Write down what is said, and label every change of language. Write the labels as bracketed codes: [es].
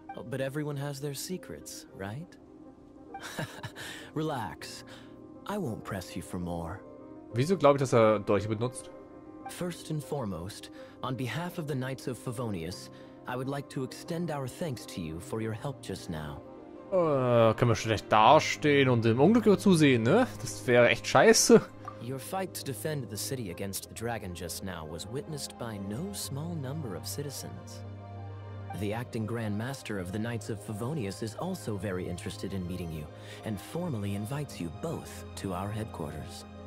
[en] But everyone has their secrets, right? Relax. I won't press you for more. [de] Wieso glaube ich, dass Dolche benutzt? [en] First and foremost, on behalf of the Knights of Favonius, I would like to extend our thanks to you for your help just now. [de] Können wir schlecht dastehen und dem Unglück zusehen, ne? Das wäre echt scheiße. [en] Your fight to defend the city against the dragon just now was witnessed by no small number of citizens. The acting Grand Master of the Knights of Favonius is also very interested in meeting you, and formally invites you both to our headquarters.